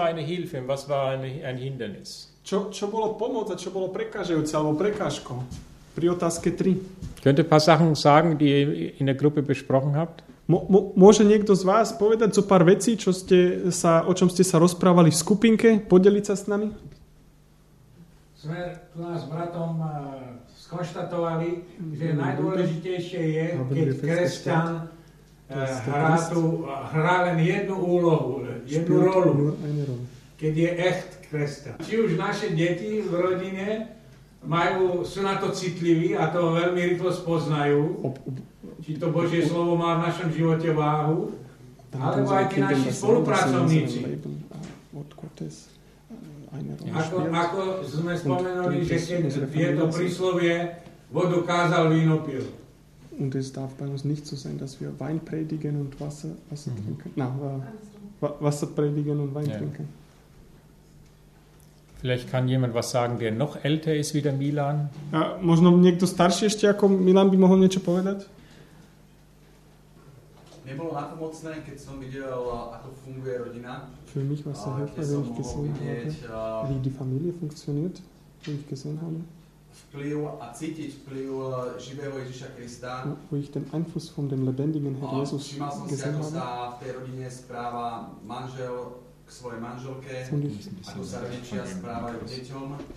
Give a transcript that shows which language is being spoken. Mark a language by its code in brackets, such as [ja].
[sk] Čo bolo pomoc a čo bolo prekážajúce alebo prekážko pri otázke 3? [de] Könnte paar Sachen sagen, die ihr in der Gruppe besprochen habt? [sk] Môže niekto z vás povedať zo pár vecí, o čom ste sa rozprávali v skupinke, podeliť sa s nami? Sme tu nás bratom skonštatovali, že najdôležitejšie je, keď kresťan hrá len jednu úlohu, jednu rolu, keď je echt kresťan. Či už naše deti v rodine sú na to citliví a to veľmi rýchlo spoznajú, či to Božie slovo má v našom živote váhu, alebo aj tí naši spolupracovníci. Ako sme spomenuli, že keď je to príslovie, vodu kázal, víno pil. [de] Und es darf bei uns nicht so sein, dass wir Wein predigen und Wasser trinken. Wasser predigen und Wein trinken. Vielleicht kann jemand was sagen, der noch älter ist wie der Milan. [sk] Ja, možno niekto starší ešte ako Milan by mohol niečo povedať? Nebolo napomocné, keď som videl, ako funguje rodina. [de] Für mich war es sehr hilfreich, wie die Familie funktioniert, wie ich gesehen habe. [sk] Vplyv a cítiť vplyv živého Ježiša Krista. [de] Wo ich den Einfluss von dem lebendigen Herrn Jesus gesehen habe. [sk] Všimal som si, ako sa v tej rodine správa manžel k svojej manželke, ako sa rodičia správajú k deťom.